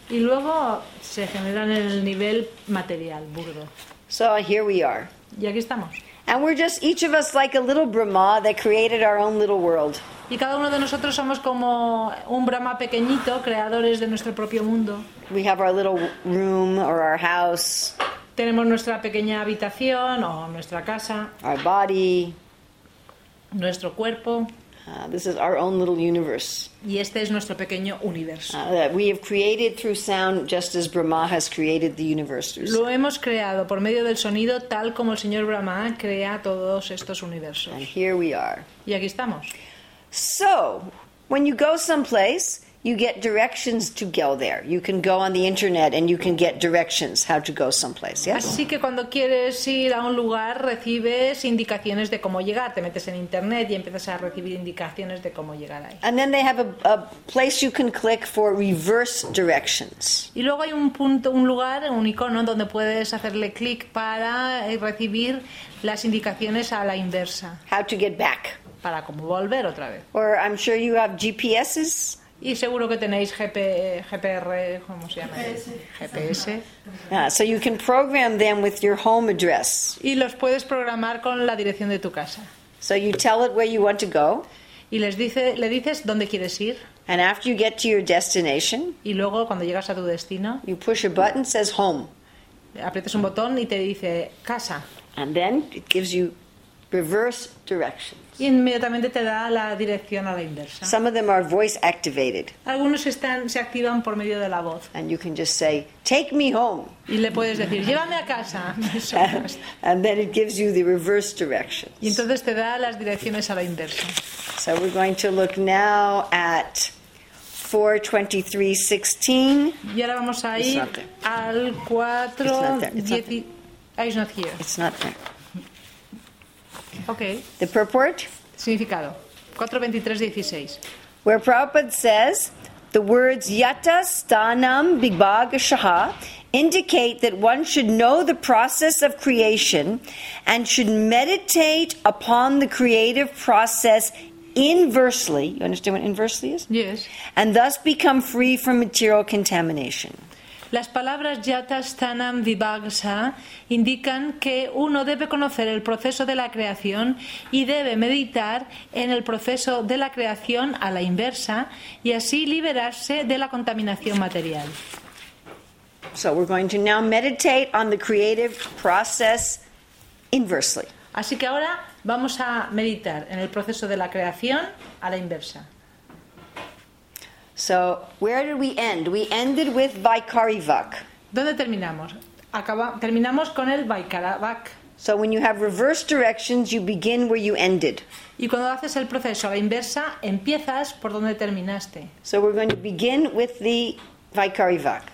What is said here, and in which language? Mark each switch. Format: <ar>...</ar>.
<es>Y luego se generan en el nivel material, burdo.</es> <en>So here we are.</en> <es>Y aquí estamos.</es> <en>And we're just each of us like a little Brahma that created our own little world.</en> <es>Y cada uno de nosotros somos como un Brahma pequeñito, creadores de nuestro propio mundo.</es> <en>We have our little room or our house.</en> <es>Tenemos nuestra pequeña habitación o nuestra casa.</es> <en>Our body.</en> <es>Nuestro cuerpo.</es> <en>This is our own little universe.</en> <es>Y este es nuestro pequeño universo.</es> <en>That we have created through sound, just as Brahma has created the universe.</en> <es>Lo hemos creado por medio del sonido, tal como el señor Brahma crea todos estos universos.</es> <en>And here we are.</en> <es>Y aquí estamos.</es> <en>So, when you go someplace, you get directions to go there. You can go on the internet and you can get directions how to go someplace. Yes?</en> <es>Así que cuando quieres ir a un lugar, recibes indicaciones de cómo llegar. Te metes en internet y empiezas a recibir indicaciones de cómo llegar ahí.</es> <en>And then they have a place you can click for reverse directions.</en> <es>Y luego hay un punto, un lugar, un icono donde puedes hacerle clic para recibir las indicaciones a la inversa.</es> <en>How to get back.</en> <es>Para cómo volver otra vez.</es> <en>Or I'm sure you have GPSs.</en> <es>Y seguro que tenéis GPR, ¿cómo se llama?</es> <en>GPS. Yeah, so you can program them with your home address.</en> <es>Y los puedes programar con la dirección de tu casa.</es> <en>So you tell it where you want to go.</en> <es>Y le dices dónde quieres ir.</es> <en>And after you get to your destination.</en> <es>Y luego cuando llegas a tu destino.</es> <en>You push a button, says home.</en> <es>Aprietas un botón y te dice casa.</es> <en>And then it gives you reverse directions.</en> <es>Y inmediatamente te da la dirección a la inversa.</es> <en>Some of them are voice activated.</en> <es>Algunos se activan por medio de la voz.</es> <en>And you can just say, take me home.</en> <es>Y le puedes decir, llévame a casa.</es> <en>And then it gives you the reverse directions.</en> <es>Y entonces te da las direcciones a la inversa.</es> <en>So we're going to look now at 4:23:16.</en> <es>Y ahora vamos a ir al 4:10.</es> <en>It's not there. It's not there. Okay. The purport.</en> <es>Significado. 4:23:16.</es> <en>Where Prabhupada says, The words yata, stanam, bibhagashaha indicate that one should know the process of creation and should meditate upon the creative process inversely. You understand what inversely is? Yes. And thus become free from material contamination.</en> <es>Las palabras yata, stanam, vibhagsa indican que uno debe conocer el proceso de la creación y debe meditar en el proceso de la creación a la inversa y así liberarse de la contaminación material.</es> <en>So we're going to now meditate on the creative process inversely.</en> <es>Así que ahora vamos a meditar en el proceso de la creación a la inversa.</es> <en>So, where did we end? We ended with Vaikarivak.</en> <es>¿Dónde terminamos? Terminamos con el Vaikaravak.</es> <en>So, when you have reverse directions, you begin where you ended.</en> <es>Y cuando haces el proceso a la inversa, empiezas por donde terminaste.</es> <en>So, we're going to begin with the Vaikarivak.</en>